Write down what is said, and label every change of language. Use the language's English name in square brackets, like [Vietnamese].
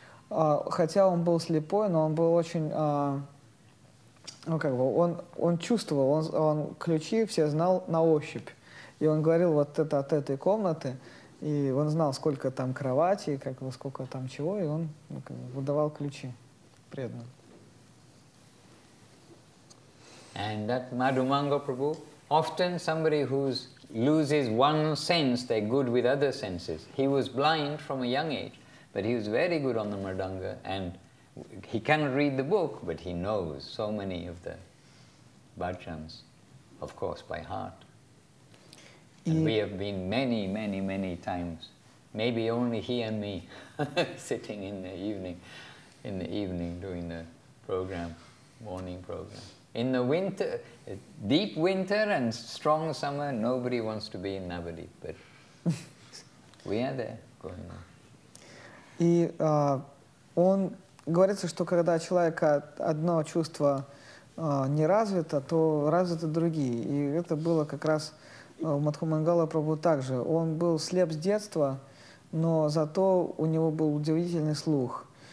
[Russian] Хотя он был слепой, но он был очень, он чувствовал, он ключи все знал на ощупь. И он говорил вот это от этой комнаты, и он знал, сколько там кровати, как бы, сколько там чего, и он выдавал ключи преданным. [English] And that Madhu Mangal Prabhu, often somebody who's loses one sense, they're good with other senses. He was blind from a young age, but he was very good on the mridanga, and he cannot read the book, but he knows so many of the bhajans, of course, by heart. And we have been many, many, many times, maybe only he and me, sitting in the evening doing the program, morning program. In the winter, deep winter and strong summer, nobody wants to be in Navadvip, but we are there going on. [Russian] И он говорится, что когда человека одно чувство не развито, то развиты другие. И это было как раз у Мадху Мангала Прабху также. Он был слеп с детства, но зато у него был удивительный слух.